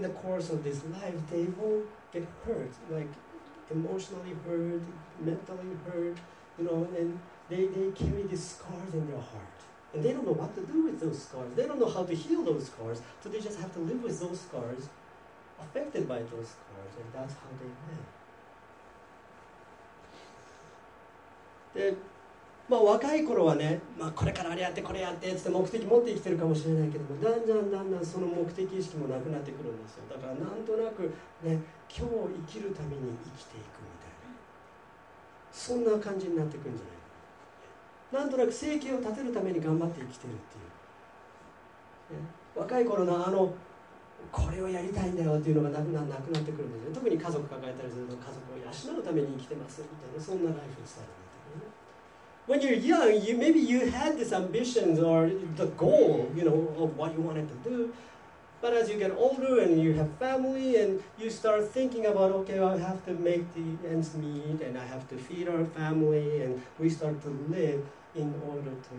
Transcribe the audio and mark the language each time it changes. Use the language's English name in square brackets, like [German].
[English] And in the course of this life, they will get hurt, like emotionally hurt, mentally hurt, you know, and they carry these scars in their heart. And they don't know what to do with those scars. They don't know how to heal those scars, so they just have to live with those scars. Affected by those scars, and that's how they live. [Japanese] で、まあ若い頃はね、まあこれからあれやってこれやってって目的持って生きてるかもしれないけども、だんだんだんだんその目的意識もなくなってくるんですよ。だからなんとなくね、今日生きるために生きていくみたいな、そんな感じになってくるんじゃないか。なんとなく生計を立てるために頑張って生きてるっていう。若い頃のあのこれをやりたいんだよっていうのがなくなってくるんですよ。特に家族抱えたりすると家族を養うために生きてますみたいな、そんなライフスタイルみたいな。 [English] When you're young, you, maybe you had these ambitions or the goal, you know, of what you wanted to do. But as you get older and you have family and you start thinking about, okay, I have to make the ends meet and I have to feed our family and we start to live in order to live.